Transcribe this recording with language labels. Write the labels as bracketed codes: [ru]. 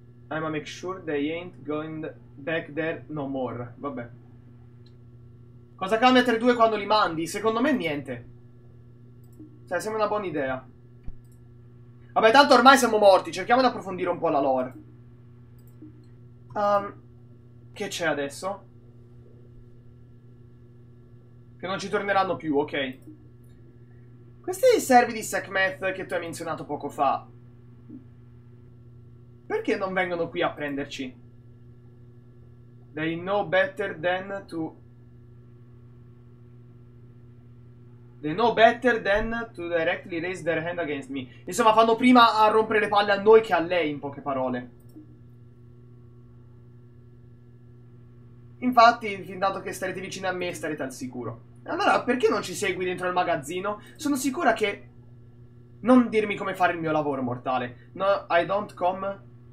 [en] I'ma make sure they ain't going back there no more. [it] Vabbè. Cosa cambia tra i due quando li mandi? Secondo me niente. Cioè, sembra una buona idea. Vabbè, tanto ormai siamo morti. Cerchiamo di approfondire un po' la lore. Che c'è adesso? Che non ci torneranno più, ok. Questi servi di Sekhmeth che tu hai menzionato poco fa, perché non vengono qui a prenderci? [en] They know better than to... They know better than to directly raise their hand against me. [it] Insomma, fanno prima a rompere le palle a noi che a lei, in poche parole. Infatti, fin tanto che starete vicini a me, starete al sicuro. Allora, perché non ci segui dentro il magazzino? Sono sicura che... Non dirmi come fare il mio lavoro, mortale. No, [en] I don't come...